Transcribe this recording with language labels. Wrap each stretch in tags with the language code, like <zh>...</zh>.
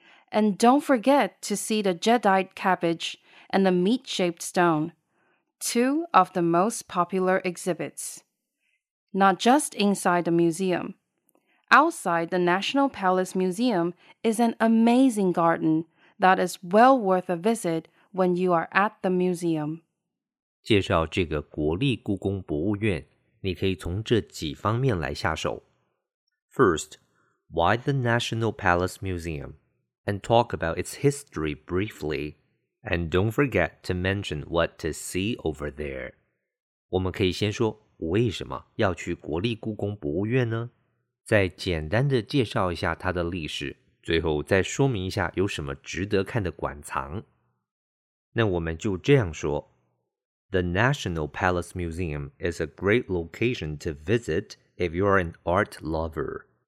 <en>And don't forget to see the jadeite cabbage and the meat-shaped stone, two of the most popular exhibits. Not just inside the museum. Outside the National Palace Museum is an amazing garden that is well worth a visit when you are at the museum.</en> <zh>介绍这个国立故宫博物院，你可以从这几方面来下手。</zh> <en>First, why the National Palace Museum? And talk about its history briefly. And don't forget to mention what to see over there.</en> <zh>我们可以先说为什么要去国立故宫博物院呢？再简单的介绍一下它的历史，最后再说明一下有什么值得看的馆藏。那我们就这样说。</zh> <en>The National Palace Museum is a great location to visit if you're an art lover.</en>